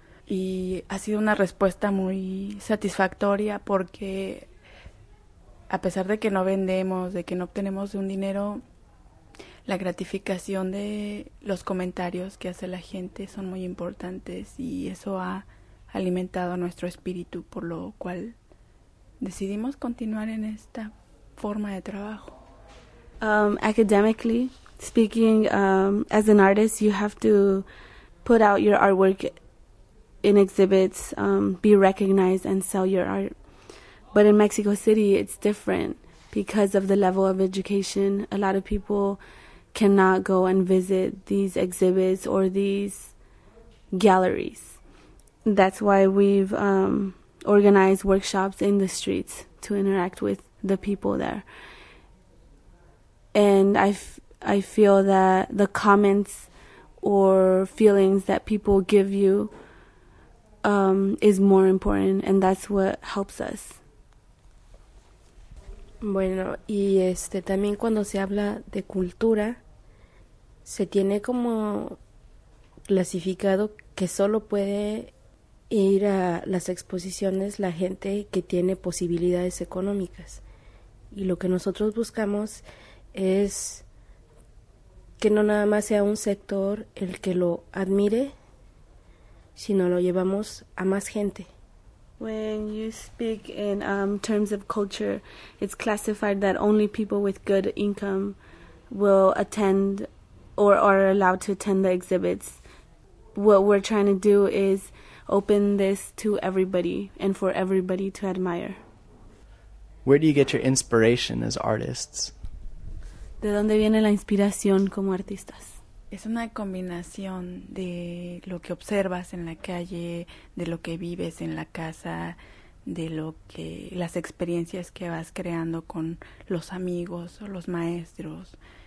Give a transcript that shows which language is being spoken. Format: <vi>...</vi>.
<es>Y ha sido una respuesta muy satisfactoria porque, a pesar de que no vendemos, de que no obtenemos un dinero, la gratificación de los comentarios que hace la gente son muy importantes y eso ha alimentado nuestro espíritu, por lo cual decidimos continuar en esta forma de trabajo.</es> <en>Academically speaking, as an artist, you have to put out your artwork in exhibits, be recognized and sell your art. But in Mexico City, it's different because of the level of education. A lot of people cannot go and visit these exhibits or these galleries. That's why we've organized workshops in the streets to interact with the people there. And I feel that the comments or feelings that people give you is more important, and that's what helps us.</en> <es>Bueno, y también cuando se habla de cultura, se tiene como clasificado que solo puede ir a las exposiciones la gente que tiene posibilidades económicas. Y lo que nosotros buscamos es que no nada más sea un sector el que lo admire, sino lo llevamos a más gente.</es> <en>When you speak in terms of culture, it's classified that only people with good income will attend or are allowed to attend the exhibits. What we're trying to do is open this to everybody and for everybody to admire. Where do you get your inspiration as artists?</en> <es>¿De dónde viene la inspiración como artistas? Es una combinación de lo que observas en la calle, de lo que vives en la casa, de lo que las experiencias que vas creando con los amigos o los maestros.</es>